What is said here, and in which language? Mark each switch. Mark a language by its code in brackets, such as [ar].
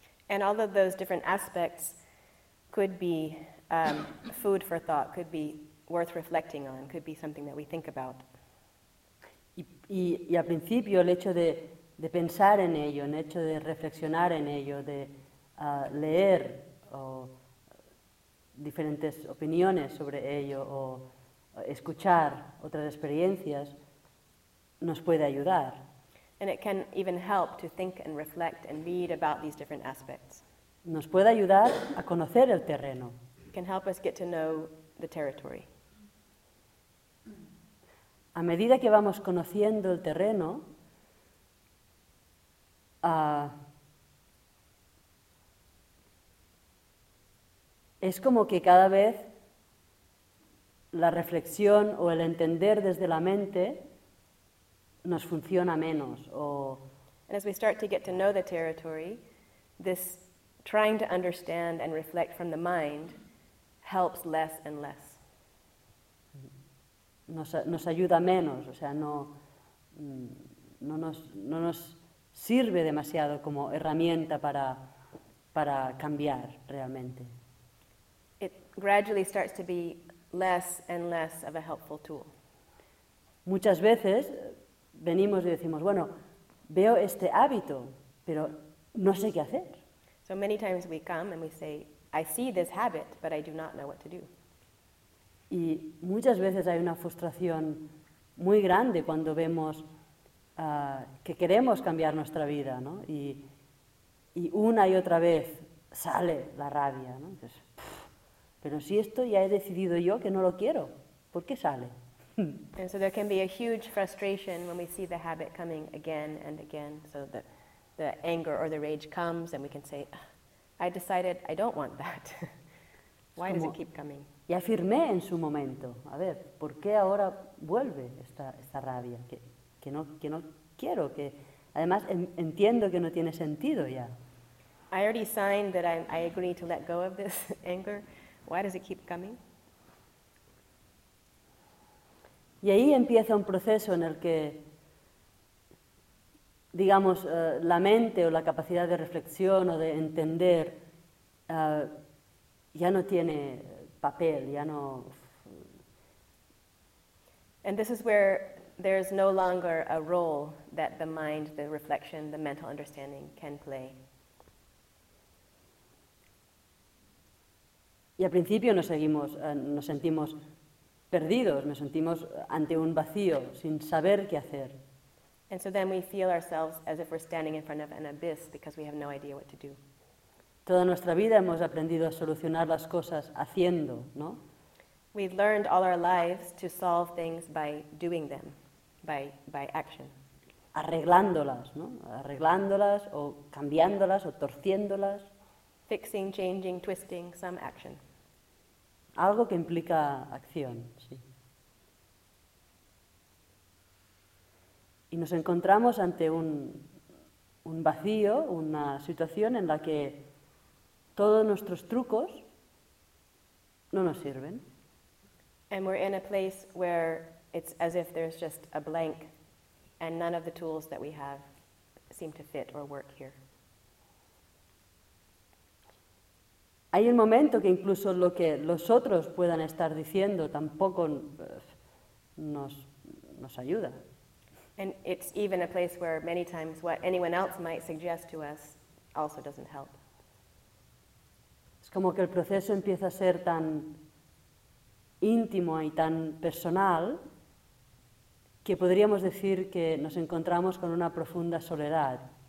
[en] And all of those different aspects could be food for thought, could be worth reflecting on, could be something that we think about. [es] Y al principio el hecho de pensar en ello, el hecho de reflexionar en ello, de leer o diferentes opiniones sobre ello o escuchar otras experiencias, nos puede ayudar. [en] And it can even help to think and reflect and read about these different aspects. [es] Nos puede ayudar a conocer el terreno. [en] It can help us get to know the territory. [es] A medida que vamos conociendo el terreno, es como que cada vez la reflexión o el entender desde la mente nos funciona menos. [en] And as we start to get to know the territory, this trying to understand and reflect from the mind helps less and less. [es] Nos ayuda menos, o sea, no nos sirve demasiado como herramienta para cambiar realmente. [en] It gradually starts to be less and less of a helpful tool. [es] Muchas veces venimos y decimos, bueno, veo este hábito, pero no sé qué hacer. [en] So many times we come and we say, I see this habit, but I do not know what to do. [es] Y muchas veces hay una frustración muy grande cuando vemos que queremos cambiar nuestra vida, ¿no? Y una y otra vez sale la rabia, ¿no? Entonces, pero si esto ya he decidido yo que no lo quiero, ¿por qué sale? [en] And so there can be a huge frustration when we see the habit coming again and again, so that the anger or the rage comes and we can say, I decided I don't want that. Why does it keep coming? [es] Y afirmé en su momento, a ver, ¿por qué ahora vuelve esta rabia? Que no quiero, que además entiendo que no tiene sentido ya. [en] I already signed that I agree to let go of this anger. Why does it keep coming? [es] Y ahí empieza un proceso en el que, digamos, la mente o la capacidad de reflexión o de entender ya no tiene papel, ya no. [en] And this is where there's no longer a role that the mind, the reflection, the mental understanding can play. [es] Y al principio nos sentimos perdidos, nos sentimos ante un vacío, sin saber qué hacer. [en] And so then we feel ourselves as if we're standing in front of an abyss because we have no idea what to do. [es] Toda nuestra vida hemos aprendido a solucionar las cosas haciendo, ¿no? [en] We've learned all our lives to solve things by doing them, by action. [es] Arreglándolas, ¿no? Arreglándolas o cambiándolas o torciéndolas. [en] Fixing, changing, twisting, some action. [es] Algo que implica acción, sí. Y nos encontramos ante un vacío, una situación en la que todos nuestros trucos no nos sirven. [en] And we're in a place where it's as if there's just a blank and none of the tools that we have seem to fit or work here. [es] Hay un momento que incluso lo que los otros puedan estar diciendo tampoco nos ayuda. [en] And it's even a place where many times what anyone else might suggest to us also doesn't help. [es] Es como que el proceso empieza a ser tan íntimo y tan personal que podríamos decir que nos encontramos con una profunda soledad.